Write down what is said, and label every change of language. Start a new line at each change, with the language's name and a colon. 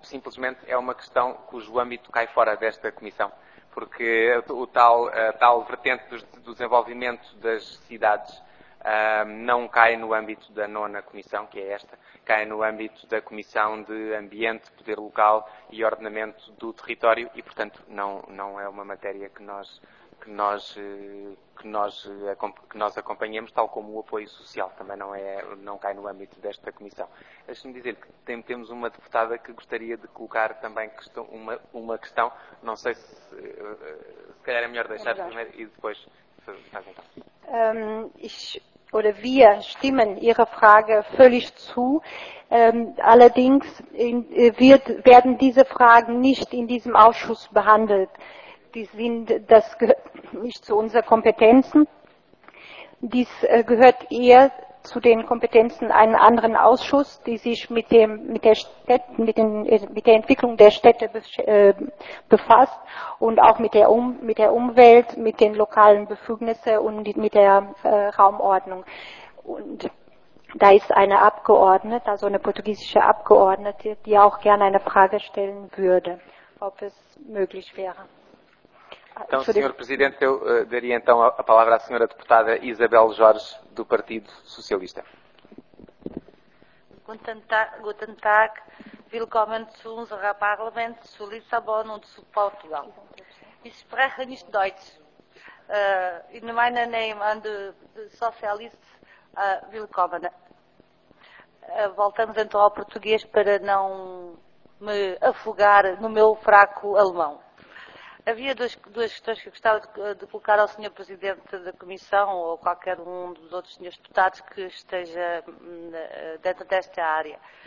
Portuguese: Simplesmente é uma questão cujo âmbito cai fora desta comissão, porque a tal vertente do desenvolvimento das cidades não cai no âmbito da nona comissão, que é esta, cai no âmbito da Comissão de Ambiente, Poder Local e Ordenamento do Território e, portanto, não é uma matéria que nós acompanhamos, tal como o apoio social também não cai no âmbito desta comissão. Deixe-me dizer que temos uma deputada que gostaria de colocar também uma questão. Não sei se calhar é melhor deixar primeiro e depois fazer então.
German: Oder wir stimmen Ihrer Frage völlig zu. Allerdings werden diese Fragen nicht in diesem Ausschuss behandelt. Das gehört nicht zu unseren Kompetenzen. Dies gehört eher zu den Kompetenzen eines anderen Ausschusses, die sich mit der Entwicklung der Städte befasst und auch mit der Umwelt, mit den lokalen Befugnissen und mit der Raumordnung. Und Da ist eine Abgeordnete, also eine portugiesische Abgeordnete, die auch gerne eine Frage stellen würde, ob es möglich wäre.
Portuguese: Então, Sr. Presidente, eu daria então a palavra à Sra. Deputada Isabel Jorge, do Partido Socialista.
German: Guten Tag, willkommen zu unserem Parlament zu Lissabon und zu Portugal. Ich spreche nicht Deutsch. In meinem Namen an die Sozialisten, willkommen.
Portuguese: Voltamos então ao português para não me afogar no meu fraco alemão. Havia duas questões que eu gostava de colocar ao Sr. Presidente da Comissão ou qualquer um dos outros senhores deputados que esteja dentro desta área.